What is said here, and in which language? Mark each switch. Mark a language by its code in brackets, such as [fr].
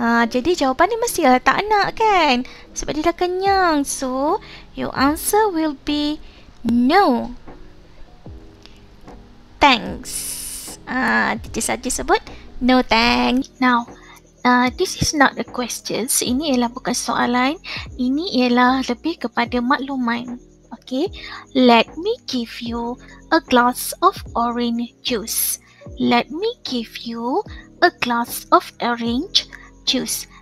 [ms] Jadi jawapan dia mesti tak nak kan, sebab dia dah kenyang. [en] So, your answer will be no, thanks. Did you [ms] saja sebut [en] no thanks. Now, this is not a question. [ms] So, ini ialah bukan soalan. Ini ialah lebih kepada makluman. [en] Okay, let me give you a glass of orange juice. Let me give you a glass of orange juice.